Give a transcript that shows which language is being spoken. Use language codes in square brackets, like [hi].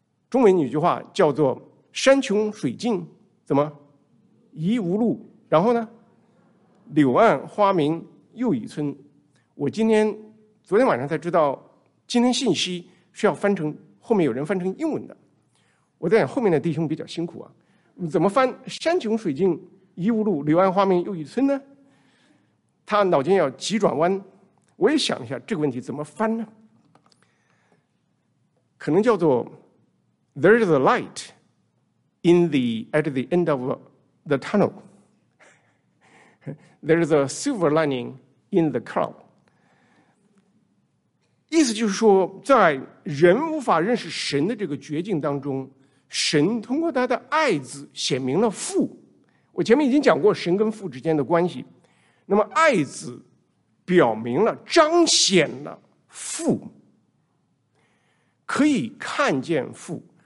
[zh] 中文有句话叫做山穷水尽，怎么疑无路，然后呢柳暗花明又一村。我今天昨天晚上才知道，今天信息是要翻成，后面有人翻成英文的。我在想后面的弟兄比较辛苦啊，怎么翻山穷水尽疑无路柳暗花明又一村呢？他脑筋要急转弯。我也想一下这个问题怎么翻呢，可能叫做 [en] There is a light in the, at the end of the tunnel. There is a silver lining in the cloud. [zh] 意思就是说，在人无法认识神的这个绝境当中，神通过他的爱子显明了父。我前面已经讲过神跟父之间的关系，那么爱子表明了，彰显了父，可以看见父。